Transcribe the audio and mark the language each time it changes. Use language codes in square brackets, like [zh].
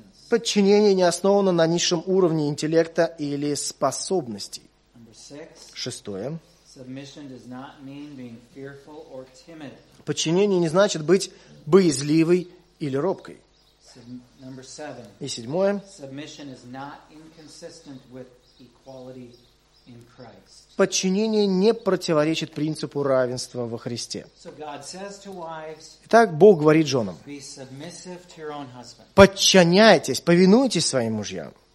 [ru] Подчинение не основано на низшем уровне интеллекта или способностей. Шестое. [en] Submission does not mean being fearful or timid. [ru] Подчинение не значит быть боязливой или робкой. [en] Number seven. [ru] И седьмое. [en] Submission is not inconsistent with equality in Christ. [ru] Подчинение не противоречит принципу равенства во Христе. [en] So God says to wives, [ru] Итак, Бог говорит женам. [en] Be submissive to your own husband. [ru] Подчиняйтесь, повинуйтесь своим мужьям.